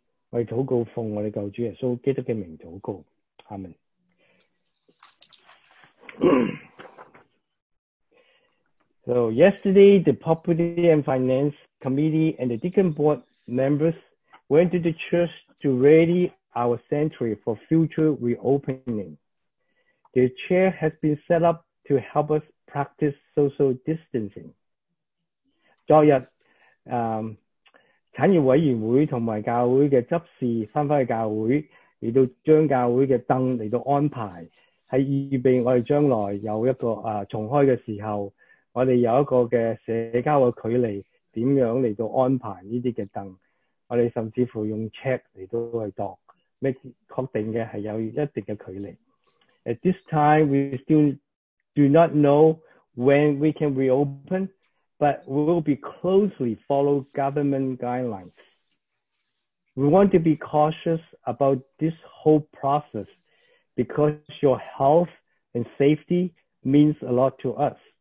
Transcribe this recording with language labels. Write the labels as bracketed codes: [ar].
[yue] 我哋祷告奉我哋救主耶稣基督嘅名祷告，阿门。 [en] So yesterday, the Property and Finance Committee and the Deacon Board members went to the church to ready our sanctuary for future reopening. the chair has been set up to help us practice social distancing. [yue] 昨日, 產業委員會和教會的執事回到教會, 來到將教會的椅子來到安排, 是預備我們將來有一個, 重開的時候, 我們有一個社交的距離, 怎樣來到安排這些椅子, 我們甚至乎用check來度, 確定的是有一定的距離。 [en] At this time, we still do not know when we can reopen, but we will be closely follow government guidelines. We want to be cautious about this whole process because your health and safety means a lot to us.